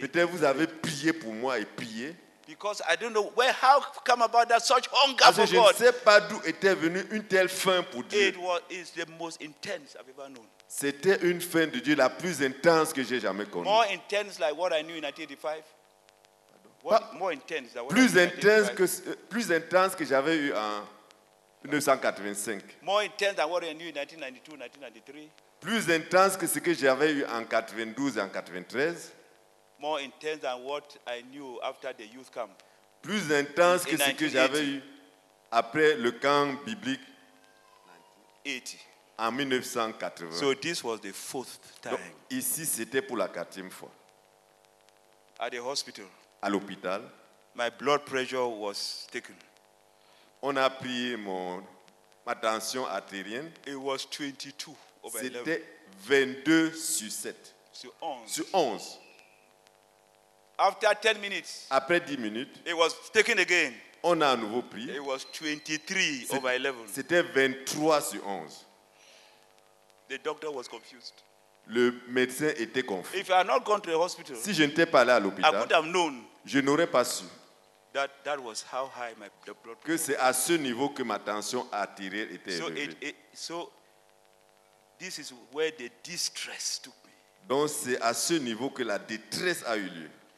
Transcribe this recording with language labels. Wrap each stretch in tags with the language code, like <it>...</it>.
<fr>Peut-être vous avez prié pour moi et prié.</fr> <en>Because I don't know where how come about that such hunger for God.</en> <fr>Je ne sais pas d'où était venue une telle faim pour Dieu.</fr> <en>It is the most intense I've ever known.</en> <fr>C'était une faim de Dieu la plus intense que j'ai jamais connue.</fr> <en>More intense like what I knew in 1985. More intense than what</en> <fr>plus intense que j'avais eu en 1985.</fr> <en>More intense than what I knew in 1992, 1993.</en> <fr>Plus intense que ce que j'avais eu en 92 et en 93.</fr> <en>More intense than what I knew after the youth camp.</en> <fr>Plus intense que ce que j'avais eu après le camp biblique.</fr> <en>80.</en> <fr>En 1980.</fr> <en>So this was the fourth time.</en> <fr>Donc, ici c'était pour la quatrième fois.</fr> <en>At the hospital.</en> <fr>À l'hôpital.</fr> <en>My blood pressure was taken.</en> <fr>On a pris ma tension artérielle.</fr> <en>It was 22.</en> <fr>C'était 22 sur 7. Sur 11.</fr> <en>After 10 minutes.</en> <fr>Après 10 minutes.</fr> <en>It was taken again.</en> <fr>On a à nouveau pris.</fr> <en>It was 23/11.</en> <fr>C'était 23 sur 11.</fr> <en>The doctor was confused.</en> <fr>Le médecin était confus.</fr> <en>If I had not gone to the hospital.</en> <fr>Si je n'étais pas allé à l'hôpital.</fr> <en>I would have known.</en> <fr>Je n'aurais pas su.</fr> <en>That was how high my blood pressure.</en> <fr>Que c'est à ce niveau que ma tension artérielle était</fr> <en>so</en> <fr>élevée.</fr> <en>So this is where the distress took me.</en> <fr>Donc c'est à ce niveau que la détresse a eu lieu.</fr>